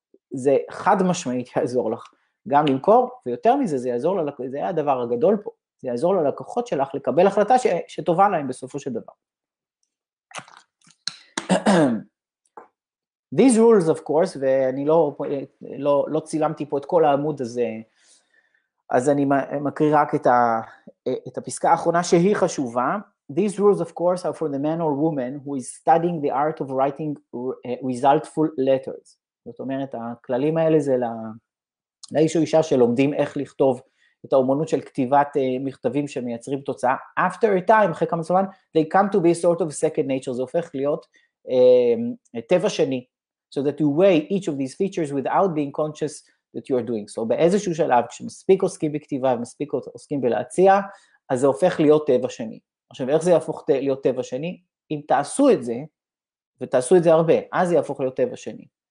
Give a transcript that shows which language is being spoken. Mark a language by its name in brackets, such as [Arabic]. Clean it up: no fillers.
[Hebrew] זה חד משמעית יעזור לך גם למכור, ויותר מזה זה יעזור ללקוחות, זה היה הדבר הגדול פה, זה יעזור ללקוחות שלך לקבל החלטה שטובה להם בסופו של דבר. [English] These rules of course, [Hebrew] ואני לא צילמתי פה את כל העמוד הזה, אז אני מקריא רק את הפסקה האחרונה שהיא חשובה. [English] These rules of course are for the man or woman who is studying the art of writing resultful letters. [Hebrew] זאת אומרת, הכללים האלה זה לאיש או אישה שלומדים איך לכתוב את האומנות של כתיבת מכתבים שמייצרים תוצאה. [English] After a time, [Hebrew] אחרי כמה זמן, [English] they come to be sort of second nature. [Hebrew] זה הופך להיות טבע שני. [English] So that you weigh each of these features without being conscious that you are doing so. [Hebrew] באיזשהו שלב, כשמספיק עוסקים בכתיבה ומספיק עוסקים בלהציע, אז זה הופך להיות טבע שני. עכשיו, איך זה יהפוך להיות טבע שני? אם תעשו את זה, ותעשו את זה הרבה, אז זה יהפוך להיות טבע שני.